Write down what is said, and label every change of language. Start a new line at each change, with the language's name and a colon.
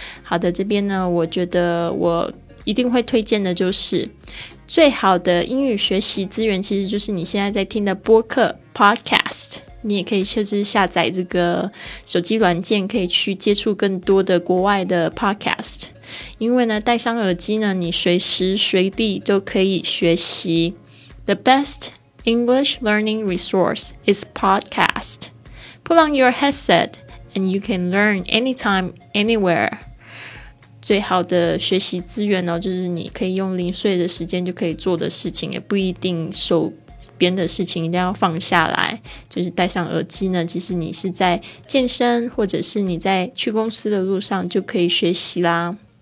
Chinese: 好的，这边呢，我觉得我一定会推荐的就是最好的英语学习资源，其实就是你现在在听的播客 Podcast。你也可以就是下载这个手机软件，可以去接触更多的国外的 podcast, 因为呢戴上耳机呢，你随时随地都可以学习。
English: The best English learning resource is podcast. Put on your headset and you can learn anytime, anywhere.
Chinese: 最好的学习资源呢，就是你可以用零碎的时间就可以做的事情，也不一定手边的事情一定要放下来，就是戴上耳机呢，其实你是在健身或者是你在去公司的路上就可以学习啦。